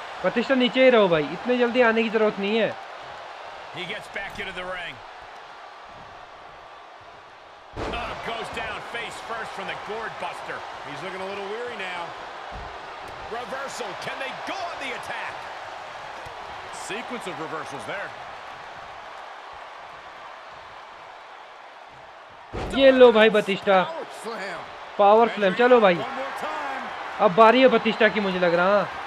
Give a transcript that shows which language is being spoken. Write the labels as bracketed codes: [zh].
[hi] बतिस्टा नीचे ही रहो भाई, इतने जल्दी आने की जरूरत नहीं है। [en] He gets back into the ring. Goes down face first from the gourd buster. He's looking a little weary now. Reversal. Can they go on the attack? Sequence of reversals there. [hi] ये लो भाई बतिस्टा, power slam. चलो भाई अब बारी है बतिस्टा की मुझे लग रहा है।